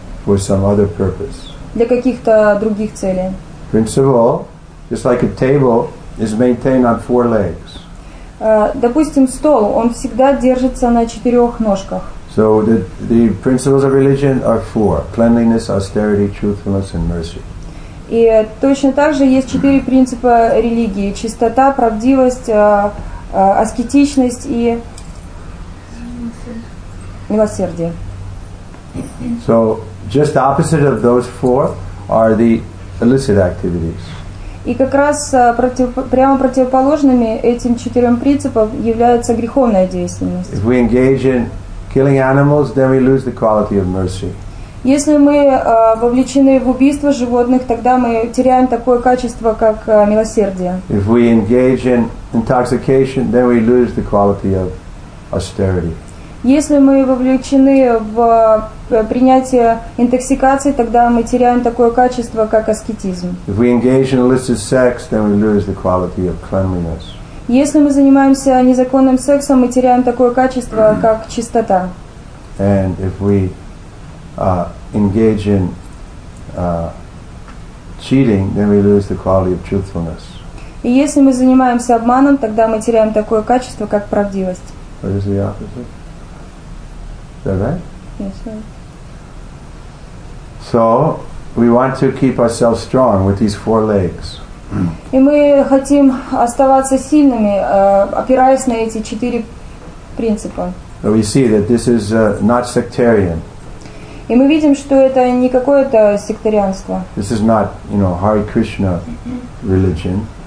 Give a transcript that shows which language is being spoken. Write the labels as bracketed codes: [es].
[en] For some other purpose. [ru] Для каких-то других целей. [en] Principle, just like a table, is maintained on four legs. [ru] Допустим, стол, он всегда держится на четырех ножках. [en] So the principles of religion are four: cleanliness, austerity, truthfulness, and mercy. [ru] И точно так же есть четыре принципа религии: чистота, правдивость, аскетичность и милосердие. [en] So just opposite of those four are the illicit activities. [ru] И как раз прямо противоположными этим четырем принципам является греховная деятельность. [en] If we engage in killing animals, then we lose the quality of mercy. [ru] Если мы вовлечены в убийство животных, тогда мы теряем такое качество, как милосердие. [en] If we engage in intoxication, then we lose the quality of austerity. [ru] Если мы вовлечены в принятие интоксикации, тогда мы теряем такое качество, как аскетизм. [en] If we engage in illicit sex, then we lose the quality of cleanliness. [ru] Если мы занимаемся незаконным сексом, мы теряем такое качество, как чистота. [en] And if we engage in cheating, then we lose the quality of truthfulness. [ru] И если мы занимаемся обманом, тогда мы теряем такое качество, как правдивость. [en] What is the opposite? Is that right? Yes, sir. So we want to keep ourselves strong with these four legs. [ru] И мы хотим оставаться сильными, опираясь на эти четыре принципа. [en] We see that this is not sectarian. [ru] И мы видим, что это не какое-то секторианство. [en] This is not, you know, Hare Krishna religion.